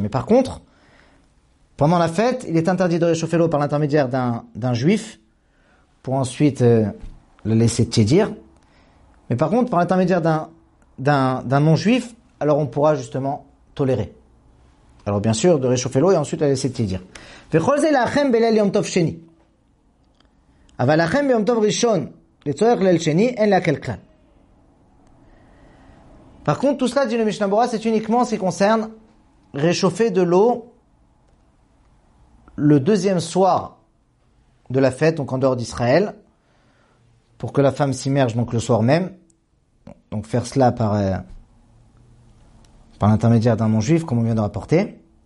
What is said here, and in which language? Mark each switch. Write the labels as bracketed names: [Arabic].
[French] Mais par contre, pendant la fête, il est interdit de réchauffer l'eau par l'intermédiaire d'un juif pour ensuite la laisser tiédir. Mais par contre, par l'intermédiaire d'un non-juif, alors on pourra justement tolérer. Alors bien sûr, de réchauffer l'eau et ensuite la laisser tiédir. [Hebrew] « V'chol zeh lachem belel yom tov sheni. » אבל לכם ביום טוב ראשון לצורך ליל שני אין להקל כלל. [French] Par contre, tout cela, dit le Mishnah Bura, c'est uniquement ce qui concerne réchauffer de l'eau le deuxième soir de la fête, donc en dehors d'Israël, pour que la femme s'immerge donc le soir même. Donc faire cela par l'intermédiaire d'un non-juif, comme on vient de rapporter.